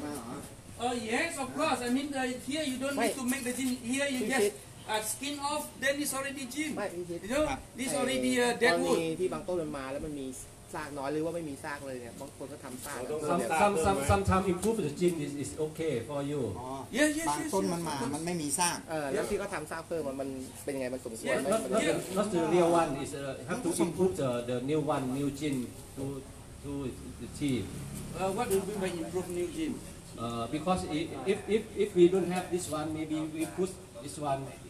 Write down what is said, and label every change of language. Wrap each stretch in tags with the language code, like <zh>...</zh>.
<th>มาอ๋อ</th> <en>yes of course I mean here you don't need to make the gin here you justskin off then it's already gin you know this already dead wood</en> <th>ที่บางต้นมันมาแล้วมันมีซากน้อยหรือว่าไม่มีซากเลยเนี่ยบางคนก็ทำซาก</th> <en>sometimes improve the gin is okay for you yes yes</en> <th>ต้นมันมามันไม่มีซาก แล้วที่เขาทำซากเพิ่มมันเป็นไงมันสมบูรณ์ไหม</th> <en>not the real one is have to improve the new one new gin to achieve what do you mean by improve new gin because if we don't have this one maybe we put this one</en>